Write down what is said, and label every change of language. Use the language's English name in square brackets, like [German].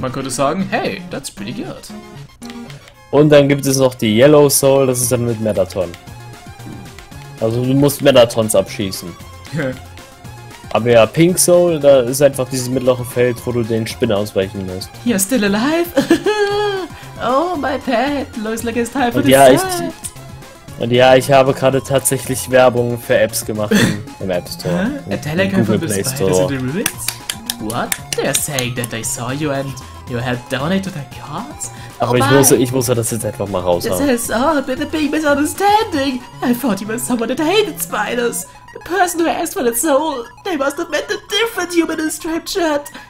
[German] Man könnte sagen, hey, [English] that's pretty good. [German] Und dann gibt es noch die Yellow Soul, das ist dann mit Metaton. Also du musst Metatons abschießen. Aber ja, Pink Soul, da ist einfach dieses mittlere Feld, wo du den Spinnen ausweichen musst. [English] You're still alive? Oh, my pet, looks like it's time for [German] the ich habe gerade tatsächlich Werbung für Apps gemacht im App Store. [English] A telecom for the spiders in the ruins? What? They're saying that they saw you and you helped donate to their cause? [German] Aber ich muss das jetzt einfach mal raus haben. [English] This is all a bit of a big misunderstanding. I thought you were someone that hated spiders. The person who asked for the soul, they must have met a different human in striped shirt.